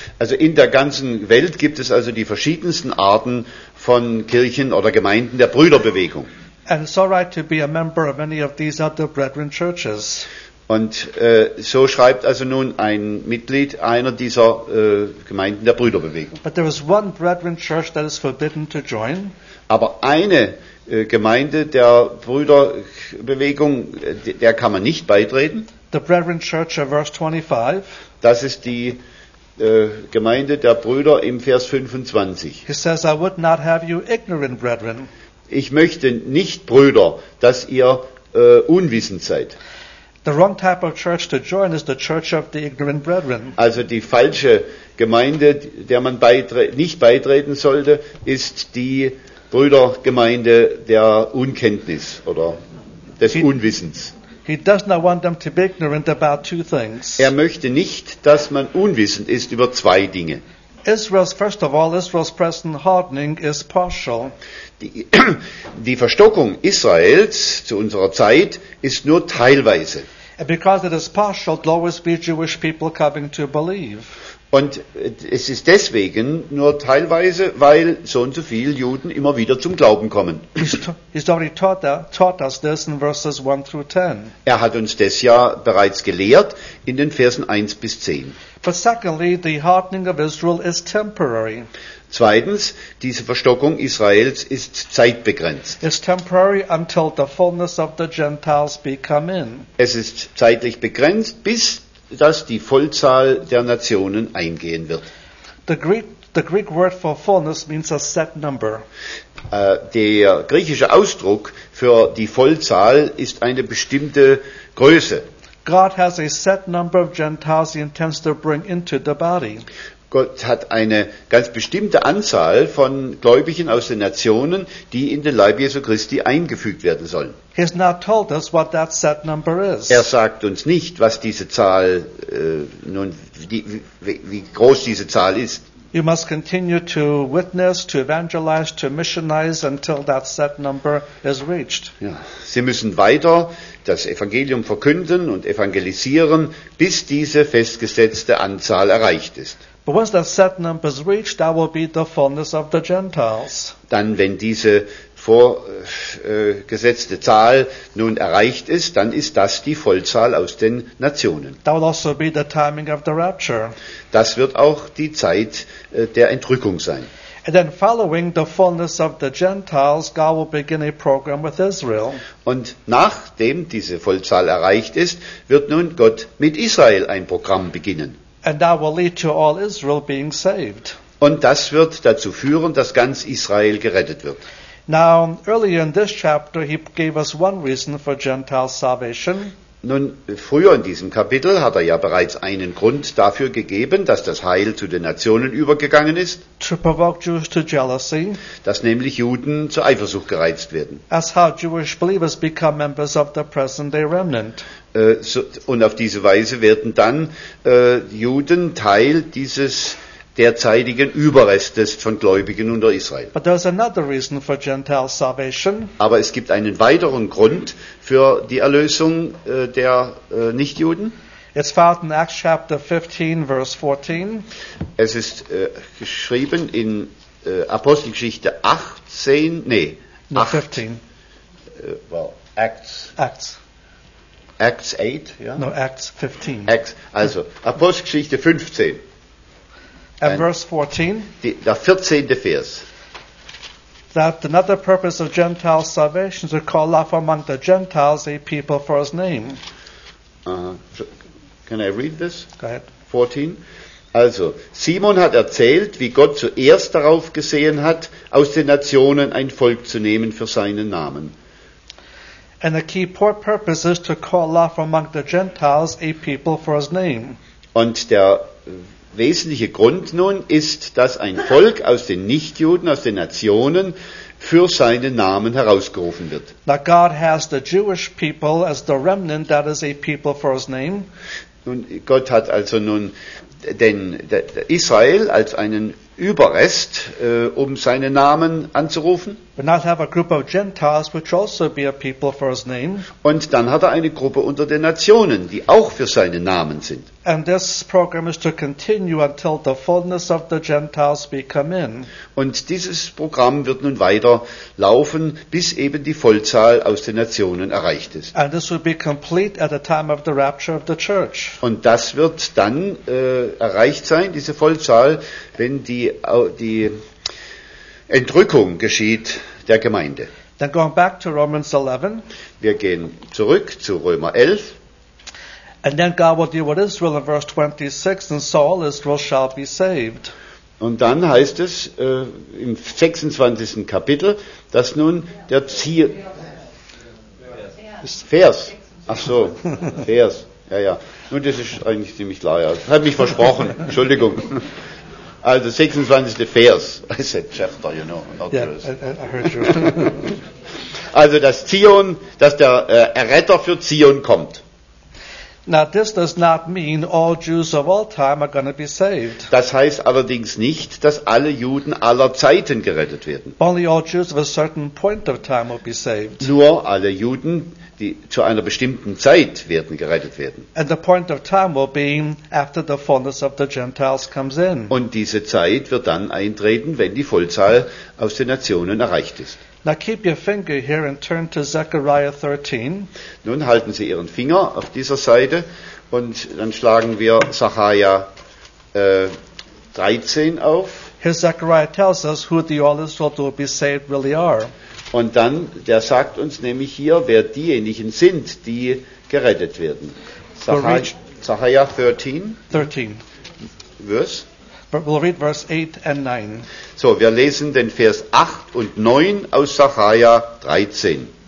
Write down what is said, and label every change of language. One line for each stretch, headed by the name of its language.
German: Also in der ganzen Welt gibt es also die verschiedensten Arten von Kirchen oder Gemeinden der Brüderbewegung.
English: And it's all right to be a member of any of these other brethren churches.
German: Und so schreibt also nun ein Mitglied einer dieser Gemeinden der Brüderbewegung.
English: But there is one brethren church that is forbidden to join.
German: Aber eine Gemeinde der Brüderbewegung, der kann man nicht beitreten.
English: The Brethren Church of verse 25.
German: Das ist die Gemeinde der Brüder im Vers 25.
English: He says, I would not have you ignorant, brethren.
German: Ich möchte nicht, Brüder, dass ihr unwissend seid.
English: The wrong type of church to join is the church of the ignorant brethren.
German: Also die falsche Gemeinde, der man nicht beitreten sollte, ist die Brüdergemeinde der Unkenntnis oder des Unwissens.
English: He does not want them to be ignorant about two things.
German: Er möchte nicht, dass man unwissend ist über zwei Dinge.
English: Israel's, first of all, Israel's present hardening is partial.
German: Die Verstockung Israels zu unserer Zeit ist nur teilweise.
English: And because it is partial, there will always be Jewish people coming to believe.
German: Und es ist deswegen nur teilweise, weil so und so viele Juden immer wieder zum Glauben kommen.
English: He's taught us this in verses 1 through 10.
German: Er hat uns das ja bereits gelehrt in den Versen 1 bis 10.
English: But secondly, the hardening of Israel is temporary.
German: Zweitens, diese Verstockung Israels ist zeitbegrenzt.
English: It's temporary until the fullness of the Gentiles become in.
German: Es ist zeitlich begrenzt, bis dass die Vollzahl der Nationen eingehen wird.
English: The Greek word for fullness means a set number.
German: Der griechische Ausdruck für die Vollzahl ist eine bestimmte Größe.
English: God has a set number of Gentiles he intends to bring into the body.
German: Gott hat eine ganz bestimmte Anzahl von Gläubigen aus den Nationen, die in den Leib Jesu Christi eingefügt werden sollen.
English: He has not told us what that set number is.
German: Er sagt uns nicht, was diese Zahl wie groß diese Zahl ist.
English: You must continue to witness, to evangelize, to missionize until that set number is reached.
German: Ja, Sie müssen weiter das Evangelium verkünden und evangelisieren, bis diese festgesetzte Anzahl erreicht ist.
English: But once that set number is reached, that will be the fullness of the Gentiles.
German: Dann, wenn diese vorgesetzte Zahl nun erreicht ist, dann ist das die Vollzahl aus den Nationen.
English: That will also be the timing of the rapture.
German: Das wird auch die Zeit der Entrückung sein.
English: And then following the fullness of the Gentiles, God will begin a program with Israel.
German: Und nachdem diese Vollzahl erreicht ist, wird nun Gott mit Israel ein Programm beginnen.
English: And that will lead to all Israel being saved.
German: Und das wird dazu führen, dass ganz Israel gerettet wird.
English: Now, earlier in this chapter, he gave us one reason for Gentile salvation.
German: Nun, früher in diesem Kapitel hat er ja bereits einen Grund dafür gegeben, dass das Heil zu den Nationen übergegangen ist.
English: To provoke Jews to jealousy.
German: Dass nämlich Juden zur Eifersucht gereizt werden.
English: As how Jewish believers become members of the present-day remnant.
German: Und auf diese Weise werden dann Juden Teil dieses derzeitigen Überrestes von Gläubigen unter Israel.
English: But there's another reason for Gentile salvation.
German: Aber es gibt einen weiteren Grund für die Erlösung der Nichtjuden.
English: It's found in Acts chapter 15, verse 14.
German: Es ist geschrieben in Apostelgeschichte 18, nee,
English: no, 8, 15. Acts 8,
German: ja?
English: No, Acts 15.
German: Also Apostelgeschichte 15.
English: And verse 14.
German: Der 14. Vers.
English: That another purpose of Gentile salvation is to call off among the Gentiles a people for his name. Can I read this? Go ahead. 14.
German: Also, Simon hat erzählt, wie Gott zuerst darauf gesehen hat, aus den Nationen ein Volk zu nehmen für seinen Namen.
English: And the key purpose is to call off among the Gentiles a people for his name.
German: Und der wesentliche Grund nun ist, dass ein Volk aus den Nichtjuden, aus den Nationen, für seinen Namen herausgerufen wird.
English: Now God has the Jewish people as the remnant that is a people for his name.
German: Nun, Gott hat also nun den Israel als einen Überrest, um seinen Namen anzurufen.
English: But now have a group of Gentiles, which also be a people for his name.
German: Und dann hat er eine Gruppe unter den Nationen, die auch für seinen Namen sind.
English: And this program is to continue until the fullness of the Gentiles become in.
German: Und dieses Programm wird nun weiter laufen, bis eben die Vollzahl aus den Nationen erreicht ist.
English: And this will be complete at the time of the rapture of the church.
German: Und das wird dann erreicht sein, diese Vollzahl, wenn die Entrückung geschieht der Gemeinde.
English: Then going back to Romans 11.
German: Wir gehen zurück zu Römer 11.
English: And then God will deal with Israel in verse 26, and so all Israel shall be saved.
German: Und dann heißt es im 26. Kapitel, dass nun der Ziel. Vers. Ach so, Vers. Ja, ja. Nun, das ist eigentlich ziemlich klar. Ja. Hat mich versprochen. Entschuldigung. Also 26. Vers.
English: I said chapter, you know. Not yeah, I heard you.
German: Also dass Zion, dass der Erretter für Zion kommt.
English: Now this does not mean all Jews of all time are going to be saved.
German: Das heißt allerdings nicht, dass alle Juden aller Zeiten gerettet werden.
English: Only all Jews of a certain point of time will be saved.
German: Nur alle Juden, die zu einer bestimmten Zeit werden gerettet werden.
English: And the point of time will be after the fullness of the Gentiles comes in.
German: Und diese Zeit wird dann eintreten, wenn die Vollzahl aus den Nationen erreicht ist.
English: Now keep your finger here and turn to Zechariah 13.
German: Nun halten Sie Ihren Finger auf dieser Seite und dann schlagen wir Zechariah 13 auf.
English: Here Zechariah tells us who the all Israel will be saved really are.
German: Und dann, der sagt uns nämlich hier, wer diejenigen sind, die gerettet werden. Zechariah 13. Vers.
English: We'll read verse 8 and 9.
German: So, wir lesen den Vers 8 und 9 aus Zechariah 13.